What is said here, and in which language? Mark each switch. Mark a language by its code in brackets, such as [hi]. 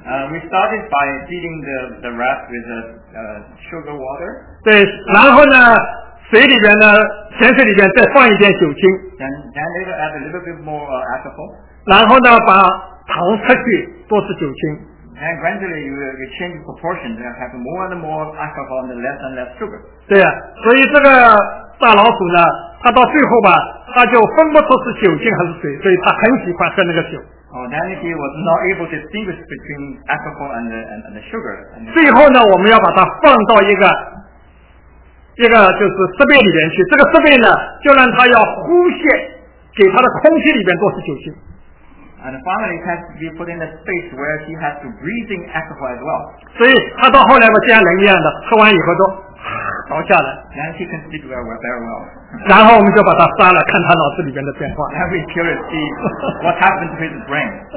[en] We started by feeding the rat with a sugar water. [zh] 对，然后呢？水里边呢，泉水里边再放一点酒精， [en] then add a little bit more alcohol. [zh] 然后呢，把糖吃去，多吃酒精。 [en] And gradually you change proportion, you have more and more alcohol and less sugar. [zh] 对呀、啊，所以这个大老鼠呢，它到最后吧，它就分不出是酒精还是水，所以它很喜欢喝那个酒。 [en] Then he was not able to distinguish between alcohol and the sugar. [zh] 最后呢，我们要把它放到一个就是设备里面去，这个设备呢就让它要呼吸，给它的空气里面多是酒精。 [en] And finally, it has to be put in a space where he has to breathing alcohol as well. [zh] 所以他到后来嘛，像人一样的，喝完以后都倒下来。 [en] And he can sleep very well. [zh] 然后我们就把他杀了，看他脑子里面的变化。 [en] Then we curious to see what happened to his brain.